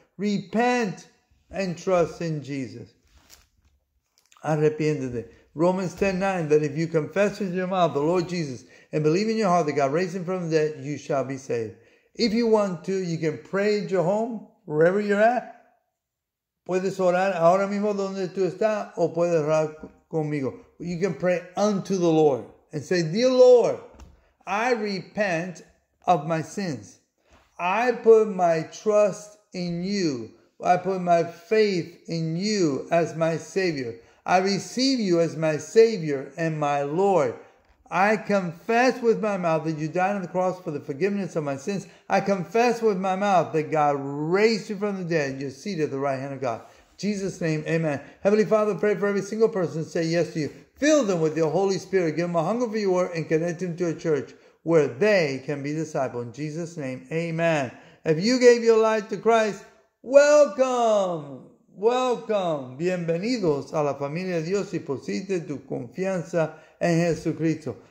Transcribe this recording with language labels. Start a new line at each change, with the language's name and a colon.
English: Repent and trust in Jesus.
Spanish: Arrepiéntete.
English: Romans 10:9, that if you confess with your mouth the Lord Jesus and believe in your heart that God raised him from the dead, you shall be saved. If you want to, you can pray at your home, wherever you're at.
Spanish: Puedes orar ahora mismo donde tú estás o puedes orar conmigo.
English: You can pray unto the Lord and say, dear Lord, I repent of my sins. I put my trust in you. I put my faith in you as my Savior. I receive you as my Savior and my Lord. I confess with my mouth that you died on the cross for the forgiveness of my sins. I confess with my mouth that God raised you from the dead. You're seated at the right hand of God. In Jesus' name, amen. Heavenly Father, pray for every single person. Say yes to you. Fill them with your Holy Spirit. Give them a hunger for your word and connect them to a church where they can be disciples. In Jesus' name, amen. If you gave your life to Christ, welcome. Welcome.
Spanish: Bienvenidos a la familia de Dios y pusiste tu confianza en Jesucristo.